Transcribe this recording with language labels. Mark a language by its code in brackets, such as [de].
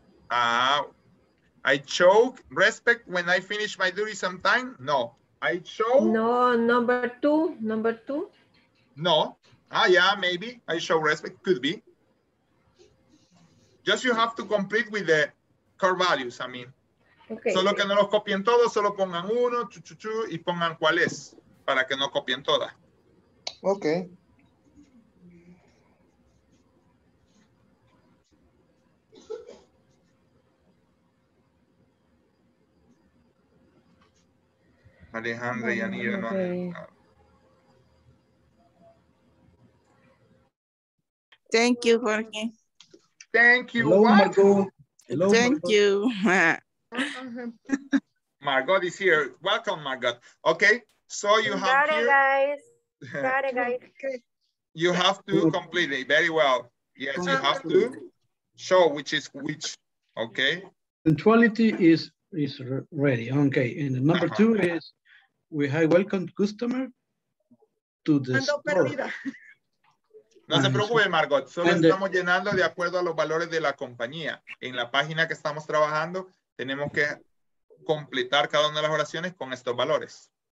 [en] I choke respect when I finish my duty sometime? No. I show... No, number two? No. Maybe. I show respect, could be. Just you have to complete with the core values, Okay. [es] Solo que no los copien todos, solo pongan uno, chuchuchu, y pongan cuál es, para que no copien todas. Ok. Alejandra y Anira, okay. No. [en] Thank you, Jorge. Thank you. Hello, what? Margo. Hello, thank Margo. You. Margot is here. Welcome, Margot. Okay, so you have got it, here, guys. Got it, guys. Okay. You have to complete it very well. Yes, you have to show which is which. Okay. Punctuality is ready. Okay, and the number two is we have welcomed customer to the store. [es] No se preocupe, Margot. Solo estamos llenando de acuerdo a los valores de la compañía. En la página que estamos trabajando, tenemos que completar cada una de las oraciones con estos valores.